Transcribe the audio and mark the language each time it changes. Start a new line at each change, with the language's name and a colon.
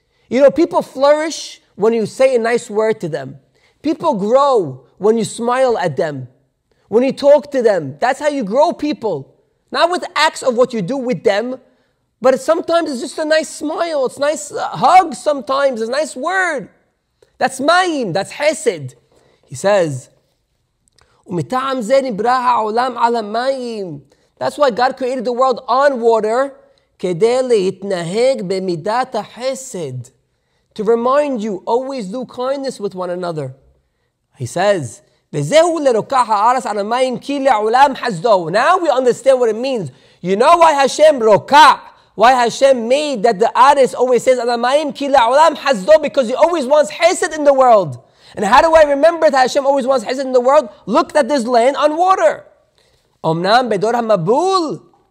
English: You know, people flourish when you say a nice word to them. People grow when you smile at them. When you talk to them. That's how you grow people. Not with acts of what you do with them, but sometimes it's just a nice smile. It's a nice hug sometimes. It's a nice word. That's ma'im. That's hesed. He says,
Hebrew: ומטעם זה נברא העולם על המים.
English: That's why God created the world on water,
Hebrew: כדי להתנהג במידת החסד.
English: To remind you, always do kindness with one another. He says,
Hebrew: וזהו לרוקח הארץ על המים כי לעולם חסדו.
English: Now we understand what it means. You know why Hashem רוקח? Why Hashem made that the artist always says
Hebrew: על המים כי לעולם חסדו?
English: Because He always wants chesed in the world. And how do I remember that Hashem always wants chesed in the world? Look at this land on water.
Hebrew: Omnam bedor hamabul.